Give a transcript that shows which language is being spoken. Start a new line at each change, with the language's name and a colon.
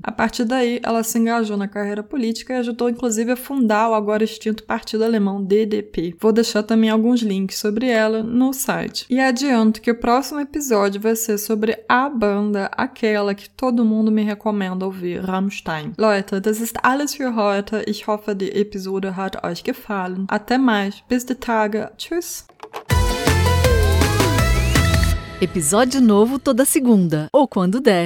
Portuguese: A partir daí, ela se engajou na carreira política e ajudou, inclusive, a fundar o agora extinto partido alemão DDP. Vou deixar também alguns links sobre ela no site. E adianto que o próximo episódio vai ser sobre a banda, aquela que todo mundo me recomenda ouvir, Rammstein.
German: Leute, das ist alles für heute. Ich hoffe, die Episode hat euch gefallen.
Portuguese: Até mais.
German: Bis die Tage. Tschüss.
Portuguese: Episódio novo toda segunda, ou quando der.